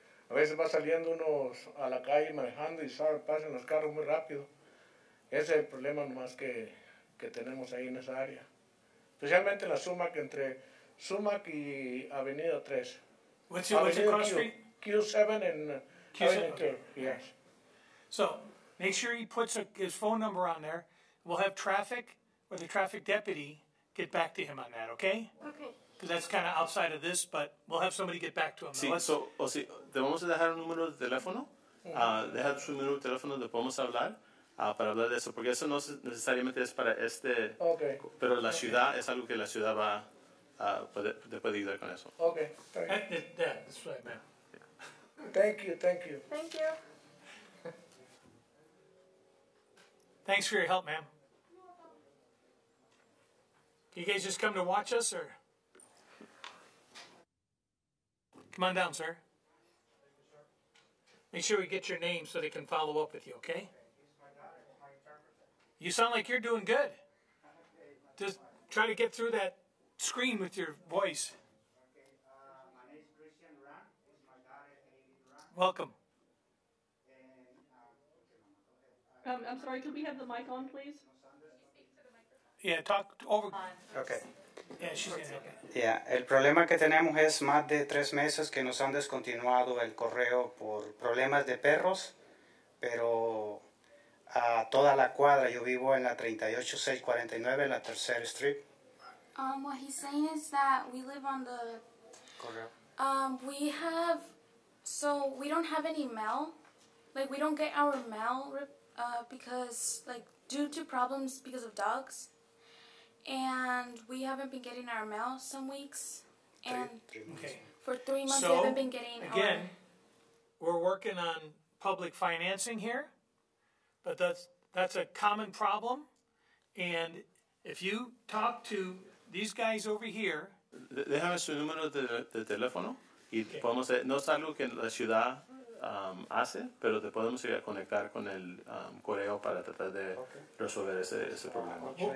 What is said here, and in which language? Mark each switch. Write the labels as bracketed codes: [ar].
[es] A veces va saliendo uno a la calle manejando y sabe, pasan los carros muy rápido. Ese es el problema nomás que tenemos ahí en esa área. Especialmente en la Sumac, entre Sumac y Avenida 3. [en] What's your cross street? Q7 and Q7? Avenida 3. Okay. Yes. So, make sure he puts his phone number on there. We'll have traffic or the traffic deputy get back to him on that, okay? Okay. Because that's kind of outside of this, but we'll have somebody get back to him. [es] Sí, so, o si, debemos dejar un número de teléfono. Dejar su número de teléfono, le podemos hablar para hablar de eso. Porque eso no necesariamente es para este... [en] Okay. [es] Pero la ciudad es algo que la ciudad va a puede ayudar con eso. [en] Okay. Right. Yeah, that's right, man. Yeah. Thank you. Thank you. Thanks for your help, ma'am. You guys just come to watch us, or... Come on down, sir. Make sure we get your name so they can follow up with you, okay? You sound like you're doing good. Just try to get through that screen with your voice. My name is Christian Rand. This is my daughter, Amy Rand. Welcome. I'm sorry, could we have the mic on, please? Yeah, talk over. Okay. Yeah, [es] el problema que tenemos es más de tres meses que nos han descontinuado el correo por problemas de perros, pero a toda la cuadra, yo vivo en la 38649, la tercera street. [en] What he's saying is that we live on the... [es] Correo. [en] We have... So, we don't have any mail. Like, we don't get our mail because, like, due to problems because of dogs. And we haven't been getting our mail some weeks. And for 3 months, so, we haven't been getting again, our... Again, we're working on public financing here. But that's a common problem. And if you talk to these guys over here... [es] Déjame su número de teléfono. Y podemos... No es algo que la ciudad hace, pero te podemos ir a conectar con el correo para tratar de resolver ese problema.